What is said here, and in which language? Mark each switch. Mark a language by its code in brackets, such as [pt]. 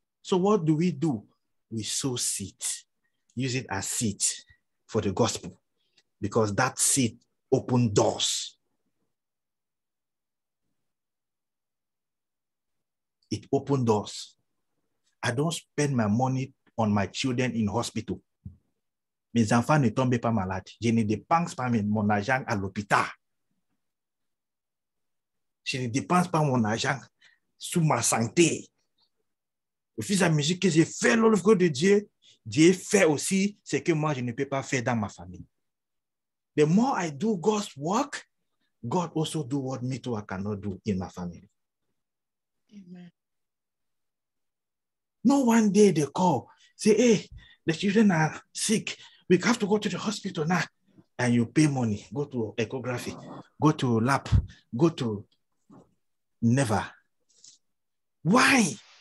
[en] So what do? We sow seeds, use it as seeds. For the gospel, because that seed opened doors. It opened doors. I don't spend my money on my children in hospital. [fr] Mes enfants ne tombent pas malades. Je ne dépense pas mon argent à l'hôpital. Je ne dépense pas mon argent sur ma santé. Le fils de la musique que j'ai fait, l'œuvre de Dieu. Dieu fait aussi ce que moi je ne peux pas faire dans ma famille. [en] The more I do God's work, God also do what me too I cannot do in my family. Amen. No one day they call, say, hey, the children are sick. We have to go to the hospital now. And you pay money, go to echography, go to lab, go to never. Why?